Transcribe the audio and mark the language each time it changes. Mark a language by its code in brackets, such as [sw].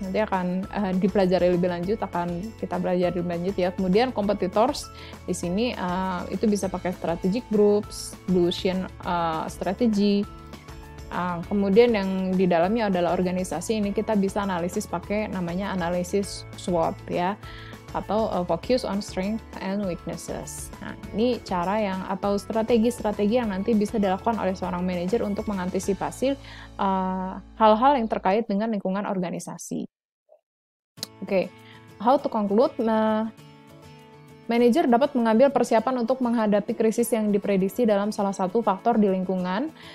[id] Nanti akan dipelajari lebih lanjut, akan kita belajari lebih lanjut ya. Kemudian competitors di sini itu bisa pakai [en] strategic groups, Bayesian strategy. [id] Kemudian yang di dalamnya adalah organisasi, ini kita bisa analisis pakai namanya analisis SWOT ya. Atau [en] focus on strength and weaknesses. [id] Nah, ini cara yang atau strategi-strategi yang nanti bisa dilakukan oleh seorang manajer untuk mengantisipasi hal-hal yang terkait dengan lingkungan organisasi. Oke, okay. [en] How to conclude? [id] Manajer dapat mengambil persiapan untuk menghadapi krisis yang diprediksi dalam salah satu faktor di lingkungan.